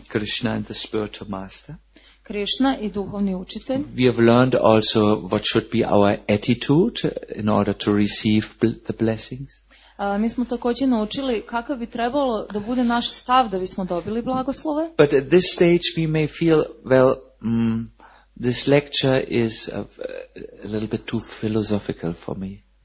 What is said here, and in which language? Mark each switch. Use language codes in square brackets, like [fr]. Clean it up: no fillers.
[en] Krishna and the spiritual master. [sr] Krishna i duhovni učitelj. [en] We have learned also what should be our attitude in order to receive the blessings. [sr] Mi smo takođe naučili kakav bi trebalo da bude naš stav da bismo dobili blagoslove. [en] But at this stage we may feel, well, this lecture is a little bit too philosophical for me.